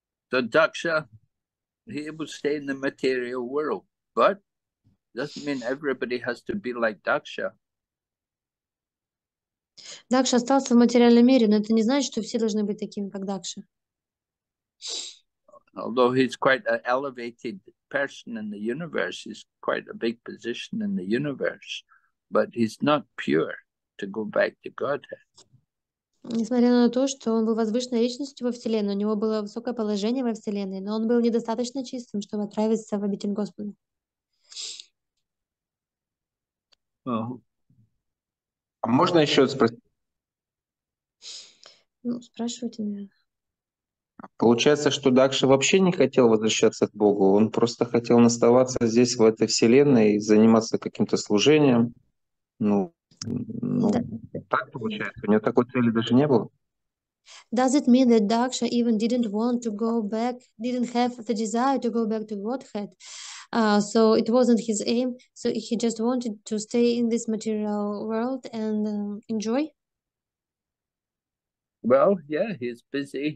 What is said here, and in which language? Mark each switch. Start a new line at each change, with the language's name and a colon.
English: The Daksha, he will stay in the material world, but doesn't mean everybody has to be like Daksha.
Russian: Дакша остался в материальном мире, но это не значит, что все должны быть такими, как Дакша.
English: Although he's quite an elevated person in the universe, he's quite a big position in the universe, but he's not pure to go back to Godhead.
Russian: Несмотря на то, что он был возвышенной личностью во Вселенной, у него было высокое положение во Вселенной, но он был недостаточно чистым, чтобы отправиться в обитель Господа. А можно еще спросить? Ну, спрашивайте меня. Получается, что Дакша вообще не хотел возвращаться к Богу, он просто хотел оставаться здесь, в этой Вселенной, и заниматься каким-то служением. Ну, Ну, так получается. У него такой цели даже не было.
English: Does it mean that Daksha even didn't want to go back, didn't have the desire to go back to Godhead? So it wasn't his aim. So he just wanted to stay in this material world and enjoy? Well, yeah, he's busy.